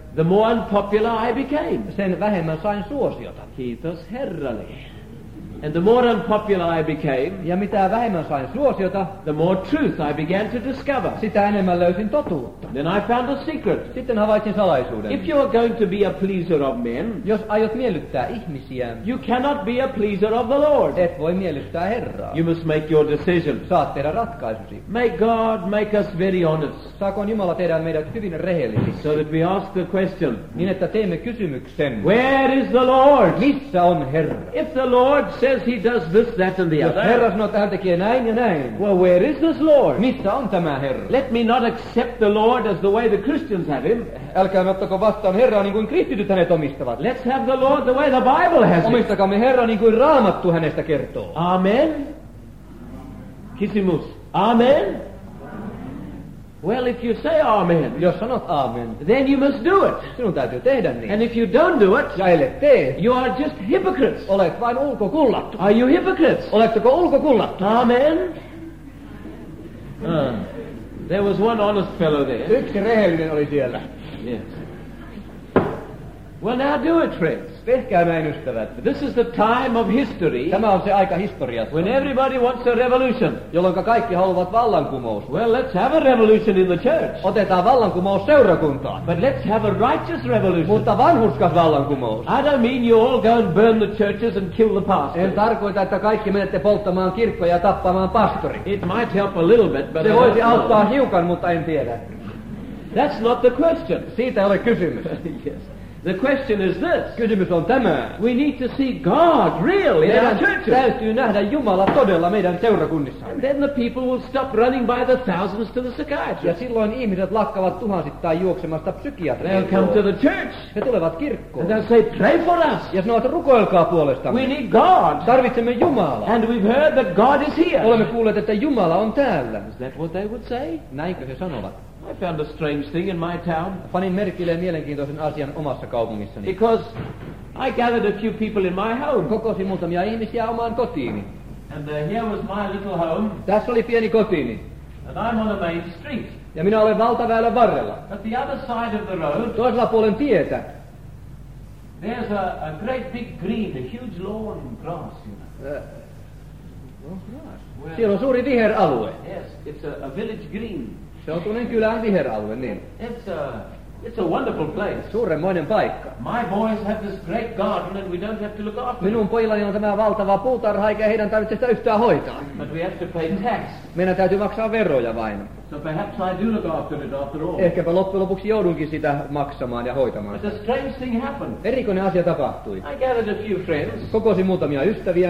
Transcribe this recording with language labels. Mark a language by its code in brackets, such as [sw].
[en] The more unpopular I became. [fi] Sen vähemmän sain suosiota. Kiitos Herralle. [en] And the more unpopular I became, [fi] ja mitä vähemmän sain suosiota, [en] the more truth I began to discover. [fi] Sitä enemmän löysin totuutta. [en] Then I found a secret. [fi] Sitten havaitsin salaisuuden. [en] If you are going to be a pleaser of men, [fi] jos aiot miellyttää ihmisiä, [en] you cannot be a pleaser of the Lord. [fi] Et voi miellyttää Herraa. [en] You must make your decision. [fi] Saat tehdä ratkaisusi. [en] May God make us very honest. [fi] Saakoon Jumala tehdä meidät hyvin rehellisiksi. [en] So that we ask the question. [fi] Niin että teemme kysymyksen. [en] Where is the Lord? [fi] Missä on Herra? [en] If the Lord says he does this, that, and the [fi] jos [en] other. [fi] Herra sanoo, että hän tekee näin ja näin. [en] Well, where is this Lord? [fi] Missä on tämä Herra? [en] Let me not accept the Lord as the way the Christians have him. [fi] Älkää me ottako vastaan Herraa niin kuin kristityt hänet omistavat. [en] Let's have the Lord the way the Bible has him. [fi] Omistakaamme Herraa niin kuin Raamattu hänestä kertoo. Amen. Kysymys. Amen. [en] Well, if you say amen, [fi] jos sanot amen, [en] then you must do it. [fi] Sinun täytyy tehdä niin. [en] And if you don't do it, [fi] ja ellet tee, [en] you are just hypocrites. [fi] Olet vain ulkokullattu. [en] Are you hypocrites? [fi] Oletteko ulkokullattu? [en] Amen. There was one honest fellow there. [fi] Yksi rehellinen oli siellä. [en] Yes. Well, now do it, friends. [fi] Tehkää näin, ystävät. [en] This is the time of history. [fi] Tämä on se aika historiassa. [en] When everybody wants a revolution. [fi] Jolloin kaikki haluavat vallankumous. [en] Well, let's have a revolution in the church. [fi] Otetaan vallankumous seurakuntaan. [en] But let's have a righteous revolution. [fi] Mutta vanhurskas vallankumous. [en] I don't mean you all go and burn the churches and kill the pastor. [fi] En tarkoita, että kaikki menette polttamaan kirkkoja ja tappamaan pastori. [en] It might help a little bit, but [fi] se voisi auttaa hiukan, mutta en tiedä. [en] That's not the question. [fi] Siitä ei ole kysymys. [en] Yes. The question is this. [fi] Kysymys on tämä. [en] We need to see God really [fi] meidän [en] in our churches. [fi] Täytyy nähdä Jumala todella meidän seurakunnissa. [en] And then the people will stop running by the thousands to the psychiatrist. [fi] Ja silloin ihmiset lakkaavat tuhansittain juoksemasta psykiatrista. [en] They'll come to the church. [fi] He tulevat kirkkoon. [en] And they'll say, pray for us. [fi] Ja sanovat, rukoilkaa puolestamme. [en] We need God. [fi] Tarvitsemme Jumala. [en] And we've heard that God is here. [fi] Olemme kuulleet, että Jumala on täällä. [en] Is that what they would say? [fi] Näinkö he sanovat? [en] I found a strange thing in my town. [fi] Panin merkille mielenkiintoisen asian omassa kaupungissani. [en] Because I gathered a few people in my home. [fi] Kokosin muutamia ihmisiä omaan kotiini. [en] And here was my little home. [fi] Tässä oli pieni kotiini. [en] And I'm on a main street. [fi] Ja minä olen valtaväylän varrella. [en] At the other side of the road. [fi] Toisella puolen tietä. [en] There's a great big green, a huge lawn and grass, you know. [fi] Well, siellä on suuri viheralue. [en] Yes, it's a village green. [fi] Se on tuollainen kylän viheralue, niin. [en] It's a wonderful place. [fi] Suuremmoinen paikka. [en] My boys have this great garden and we don't have to look after it. [fi] Minun pojillani on tämä valtava puutarha, eikä heidän tarvitse sitä yhtään hoitaa. [en] But we have to pay tax. [fi] Meidän täytyy maksaa veroja vain. [en] So perhaps I do look after it after all. [fi] Ehkäpä loppujen lopuksi joudunkin sitä maksamaan ja hoitamaan. [en] But a strange thing happened. [fi] Erikoinen asia tapahtui. [en] I gathered a few friends. [fi] Kokosin muutamia ystäviä.